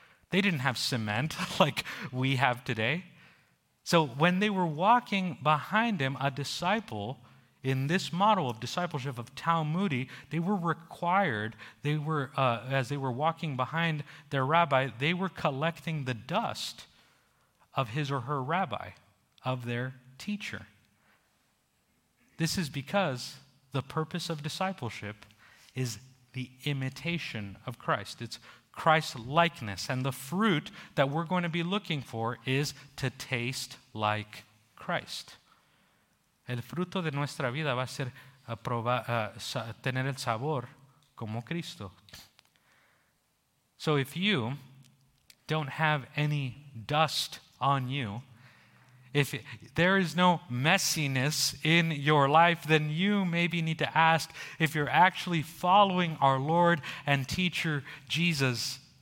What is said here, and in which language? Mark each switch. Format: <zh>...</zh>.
<en>They didn't have cement like we have today. So when they were walking behind him, a disciple, in this model of discipleship of Talmudi, they were required, they were as they were walking behind their rabbi, they were collecting the dust of his or her rabbi, of their teacher. This is because the purpose of discipleship is the imitation of Christ. It's Christ's likeness, and the fruit that we're going to be looking for is to taste like Christ.</en> <es>El fruto de nuestra vida va a ser tener el sabor como Cristo.</es> <en>So if you don't have any dust on you, if there is no messiness in your life, then you maybe need to ask if you're actually following our Lord and teacher Jesus.</en>